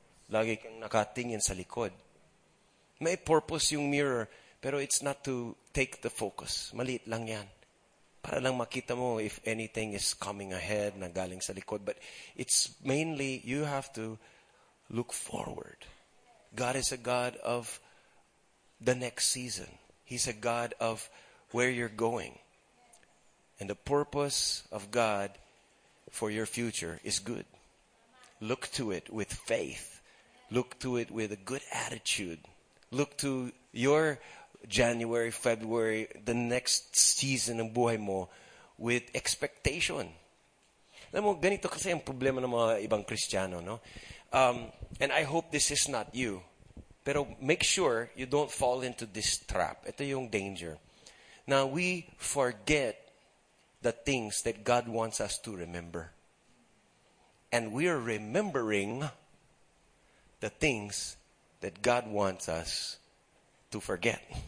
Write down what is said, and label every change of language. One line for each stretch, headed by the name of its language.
Filipino: Lagi kang nakatingin sa likod. May purpose yung mirror, pero
English: it's not to take the focus.
Filipino: Maliit lang yan. Para lang makita mo
English: if anything is coming ahead
Filipino: na galing sa likod.
English: But it's mainly, you have to look forward. God is a God of the next season. He's a God of where you're going. And the purpose of God for your future is good. Look to it with faith. Look to it with a good attitude. Look to your January, February, the next season
Filipino: ng buhay mo
English: with expectation.
Filipino: Alam mo, ganito kasi ang problema ng mga ibang Kristiyano, no?
English: And I hope this is not you. Pero make sure you don't fall into this trap.
Filipino: Ito yung danger.
English: Now, we forget the things that God wants us to remember. And we are remembering the things that God wants us to forget.